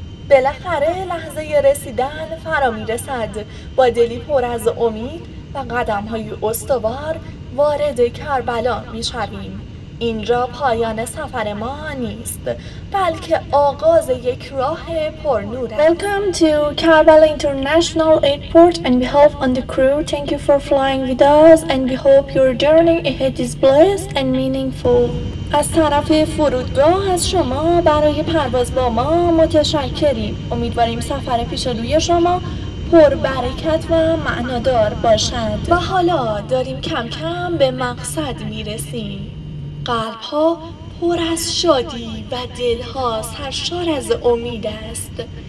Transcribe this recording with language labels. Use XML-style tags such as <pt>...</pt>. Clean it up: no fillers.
<fa>بالاخره لحظه رسیدن فرا میرسد. با دلی پر از امید و قدم های استوار وارد کربلا میشویم. اینجا پایان سفر ما نیست، بلکه آغاز یک راه پر نور است.</fa> <en>Welcome to Karbala International Airport. On behalf of the crew, thank you for flying with us and we hope your journey ahead is blessed and meaningful.</en> <fa>از طرف فرودگاه از شما برای پرواز با ما متشکریم. امیدواریم سفر پیش روی شما پر برکت و معنادار باشد. و حالا داریم کم کم به مقصد میرسیم. قلب ها پر از شادی و دل ها سرشار از امید است.</fa>